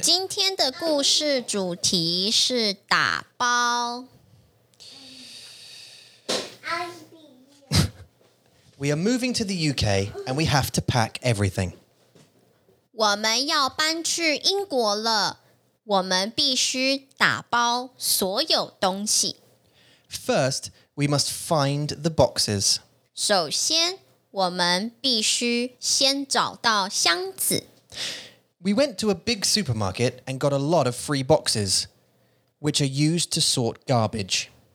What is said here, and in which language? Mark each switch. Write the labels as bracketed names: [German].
[Chinese] 今天的故事主题是打包。 [English] We are moving to the UK and we have to pack everything. [Chinese] 我们要搬去英国了，我们必须打包所有东西。 [English] First, we must find the boxes. [Chinese] 首先，我们必须先找到箱子。 [English] We went to a big supermarket and got a lot of free boxes, which are used to sort garbage.